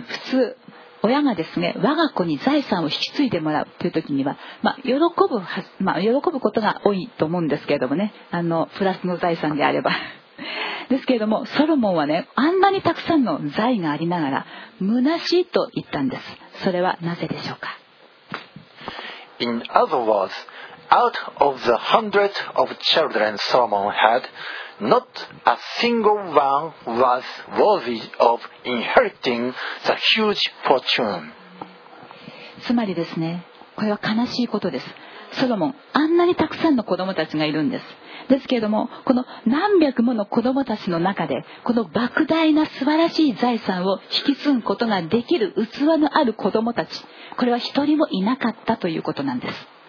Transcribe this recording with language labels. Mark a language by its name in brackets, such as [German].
[Japanese] 普通親がですね、我が子に財産を引き継いでもらうという時には、まあ 喜ぶことが多いと思うんですけれどもね、プラスの財産であればですけれども、ソロモンはね、あんなにたくさんの財がありながら虚しいと言ったんです。それはなぜでしょうか。 [English] In other words, out of the hundreds of children Solomon had, not a single one was worthy of inheriting the huge fortune. [Japanese] つまりですね、これは悲しいことです。ソロモン、あんなにたくさんの子供たちがいるんです。ですけれども、この何百もの子供たちの中で、この莫大な素晴らしい財産を引き継ぐことができる器のある子供たち、これは一人もいなかったということなんです。